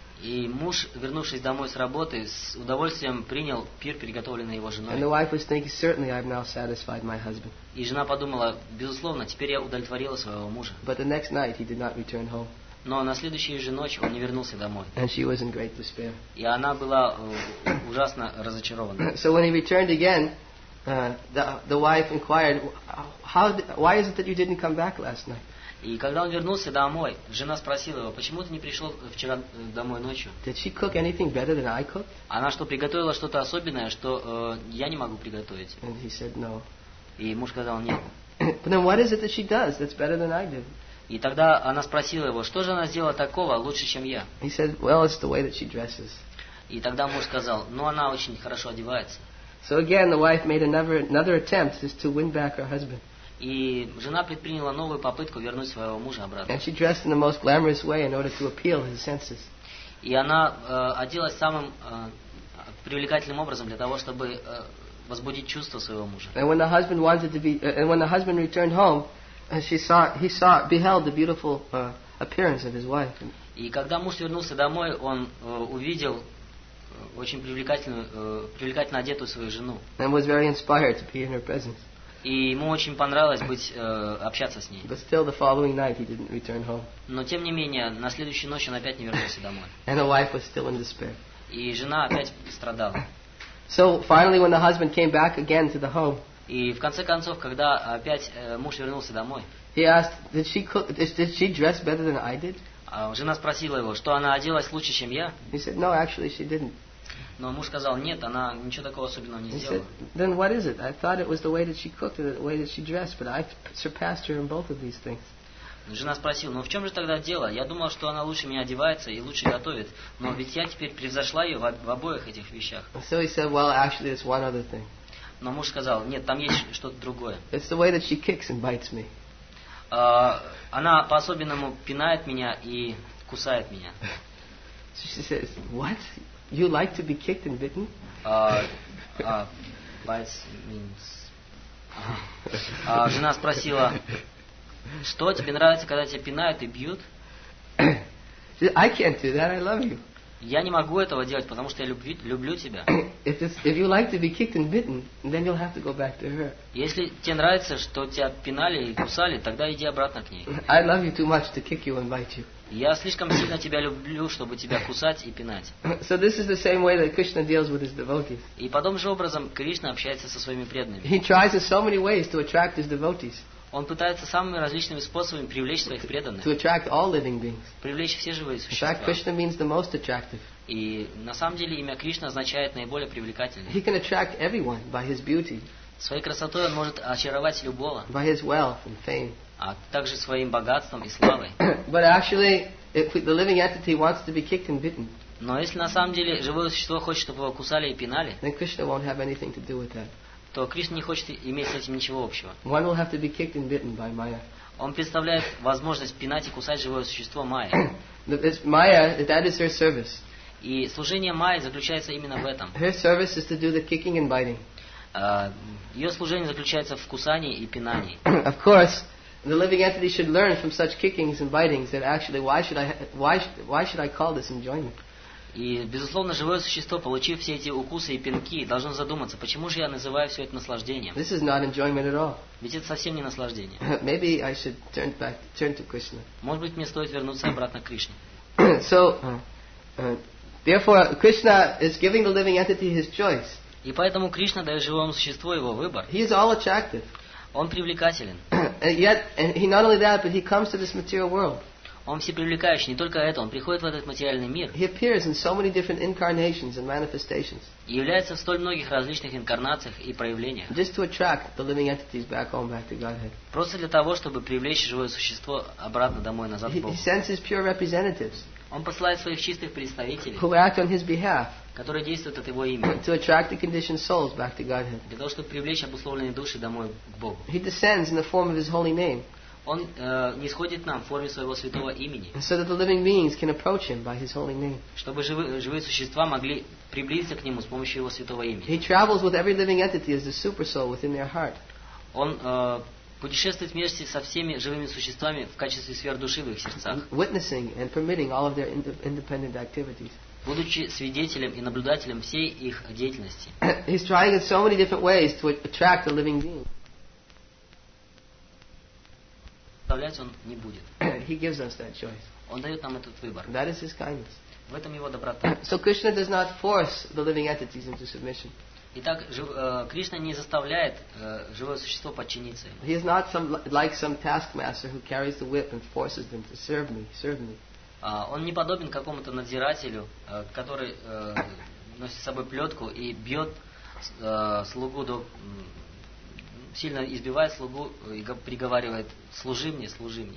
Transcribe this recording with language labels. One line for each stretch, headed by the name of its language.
Russian: И муж, вернувшись домой с работы, с удовольствием принял пир, приготовленный его женой.
English: And the wife was thinking, certainly I've now satisfied my husband.
Russian: И жена подумала, безусловно, теперь я удовлетворила своего мужа.
English: But the next night he did not return home.
Russian: Но на следующую же ночь он не вернулся домой.
English: And she was in great despair.
Russian: И она была ужасно разочарована.
English: So when he returned again, the wife inquired, why is it that you didn't come back last night?
Russian: И когда он вернулся домой, жена спросила его, почему ты не пришел вчера домой ночью?
English: Did she cook anything better than I cooked?
Russian: Она что, приготовила что-то особенное, что я не могу приготовить?
English: And he said no.
Russian: И муж сказал нет.
English: But then what is it that she does that's better than I do?
Russian: И тогда она спросила его, что же она сделала такого лучше, чем я?
English: He said, well, it's the way that she dresses.
Russian: И тогда муж сказал, ну она очень хорошо одевается.
English: So again, the wife made another attempt just to win back her husband.
Russian: И жена предприняла новую попытку вернуть своего мужа обратно.
English: And she dressed in the most glamorous way in order to appeal his senses.
Russian: И она оделась самым привлекательным образом для того, чтобы возбудить чувства своего мужа.
English: And when the husband returned home, and he beheld the beautiful appearance of his wife.
Russian: И когда муж вернулся домой, он увидел очень привлекательно одетую свою жену.
English: And was very inspired to be in her presence.
Russian: И ему очень понравилось быть общаться с ней.
English: But still, the following night he didn't return home.
Russian: Но тем не менее, на следующую ночь он опять не вернулся домой.
English: And the wife was still in despair.
Russian: И жена опять страдала.
English: So finally, when the husband came back again to the home.
Russian: И в конце концов, когда опять муж вернулся домой,
English: he asked, did she dress better than I did?
Russian: Жена спросила его, что она оделась лучше, чем я?
English: He said, no, actually she didn't.
Russian: Но муж сказал, нет, она ничего такого особенного не сделала.
English: He said, then what is it? I thought it was the way that she cooked and the way that she dressed, but I surpassed her in both of these things.
Russian: Жена спросила, ну в чем же тогда дело? Я думал, что она лучше меня одевается и лучше готовит, но ведь я теперь превзошла ее в обоих этих вещах.
English: So he said, well, actually it's one other thing.
Russian: Но муж сказал, нет, там есть что-то другое.
English: It's the way that she kicks and bites me.
Russian: Она по-особенному пинает меня и кусает меня.
English: So she says, what? You like to be kicked and bitten? Bites means...
Russian: жена спросила, Что тебе нравится, когда тебя пинают и бьют?
English: I can't do that. I love you.
Russian: Я не могу этого делать, потому что я люблю тебя.
English: If you like to be kicked and bitten, then you'll have to go back to her.
Russian: Если тебе нравится, что тебя пинали и кусали, тогда иди обратно к ней.
English: I love you too much to kick you and bite you.
Russian: Я слишком сильно тебя люблю, чтобы тебя кусать и пинать.
English: So this is the same way that Krishna deals with his devotees.
Russian: И подобным же образом Кришна общается со своими преданными.
English: He tries in so many ways to attract his devotees.
Russian: Он пытается самыми различными способами привлечь своих преданных.
English: To attract all living beings.
Russian: Привлечь все живые существа.
English: In fact, Krishna means the most attractive.
Russian: И на самом деле имя Кришна означает наиболее привлекательное.
English: He can attract everyone by his beauty.
Russian: Своей красотой он может очаровать любого.
English: By his wealth and fame.
Russian: А также своим богатством и славой.
English: But actually, if the living entity wants to be kicked and bitten.
Russian: Но если на самом деле живое существо хочет, чтобы его кусали и пинали,
English: then Krishna won't have anything to do with that.
Russian: То Кришна не хочет иметь с этим ничего общего.
English: One will have to be kicked and bitten by Maya.
Russian: Он представляет возможность пинать и кусать живое существо Майя.
English: This Maya, that is her service.
Russian: И служение Майи заключается именно в этом.
English: Her service is to do the kicking and biting.
Russian: Ее служение заключается в кусании и пинании.
English: Of course, the living entity should learn from such kickings and bitings that actually, why should I call this enjoyment?
Russian: И, безусловно, живое существо, получив все эти укусы и пинки, должно задуматься, почему же я называю все это наслаждением?
English: This is not enjoyment at all.
Russian: Ведь это совсем не наслаждение.
English: Maybe I should turn to Krishna.
Russian: Может быть, мне стоит вернуться обратно к Кришне.
English: So, therefore, Krishna is giving the living entity his choice.
Russian: И поэтому Кришна дает живому существу его выбор.
English: He is all attractive.
Russian: Он привлекателен.
English: And he not only that, but he comes to this material world.
Russian: Он всепривлекающий, не только это, он приходит в этот материальный мир.
English: He appears in so many different incarnations and manifestations.
Russian: И является в столь многих различных инкарнациях и проявлениях.
English: Just to attract the living entities back home, back to Godhead.
Russian: Просто для того, чтобы привлечь живое существо обратно домой, назад в Бога.
English: He sends his pure representatives.
Russian: Он посылает своих чистых представителей.
English: Who act on his behalf.
Russian: Которые действуют от его имени.
English: To attract the conditioned souls back to Godhead.
Russian: Для того, чтобы привлечь обусловленные души домой к Богу.
English: He descends in the form of his holy name.
Russian: Он нисходит нам в форме своего святого имени.
English: So that the living beings can approach him by his holy name.
Russian: Чтобы живые существа могли приблизиться к нему с помощью его святого имени.
English: He travels with every living entity as the super soul within their heart.
Russian: Он путешествует вместе со всеми живыми существами в качестве сверхдуши в их сердцах.
English: Witnessing and permitting all of their independent activities.
Russian: Будучи свидетелем и наблюдателем всей их деятельности.
English: He's trying in so many different ways to attract the living beings.
Russian: Он не будет.
English: He gives us that choice.
Russian: Он дает нам этот выбор.
English: That is his kindness.
Russian: В этом его доброта.
English: So Krishna does not force the living entities into submission.
Russian: Итак, Кришна не заставляет живое существо подчиниться.
English: He is not like some taskmaster who carries the whip and forces them to serve me.
Russian: Он не подобен какому-то надзирателю, который носит с собой плетку и бьет слугу до сильно избивает слугу и приговаривает: служи мне, служи мне.